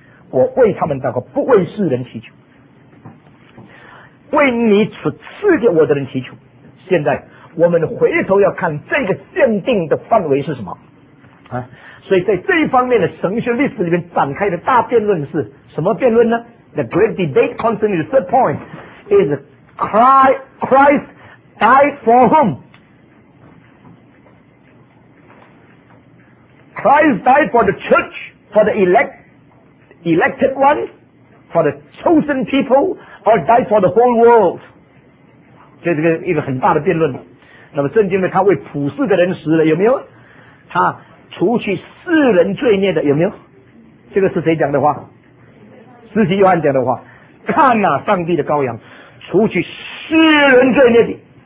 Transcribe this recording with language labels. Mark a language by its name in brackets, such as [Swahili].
[Chinese] 我为他们祷告，不为世人祈求，为你所赐给我的人祈求。现在我们回头要看这个限定的范围是什么啊？所以在这一方面的神学历史里面展开的大辩论是什么辩论呢？ [English] The great debate concerning the third point is Christ died for whom? Christ died for the church, for the elected one, for the chosen people, or died for the whole world? [Chinese] 这是一个很大的辩论。那么圣经呢，他为普世的人死了，有没有？他除去世人罪孽的，有没有？这个是谁讲的话？使徒约翰讲的话。看啊，上帝的羔羊，除去世人罪孽的。